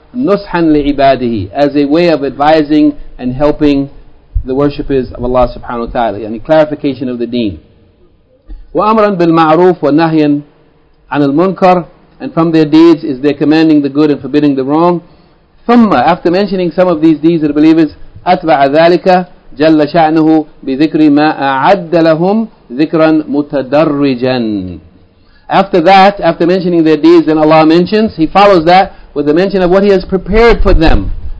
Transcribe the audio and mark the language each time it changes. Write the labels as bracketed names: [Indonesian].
[Arabic] نُصْحًا لِعِبَادِهِ, [English] as a way of advising and helping the worshippers of Allah subhanahu wa ta'ala. Yani clarification of the deen. [Arabic] وَأَمْرًا بِالْمَعْرُوفِ وَنَهْيًا عَنِ الْمُنْكَرِ, [English] and from their deeds is their commanding the good and forbidding the wrong. [Arabic] ثُمَّ, [English] after mentioning some of these deeds of the believers, [Arabic] أَتْبَعَ ذَلِكَ جَلَّ شَأْنُهُ بِذِكْرِ مَا أَعَدَّ لَهُمْ ذِكْرًا مُتَدَرِّجًا. [English] After that, after mentioning their deeds, then Allah mentions, He follows that with the mention of what He has prepared for them.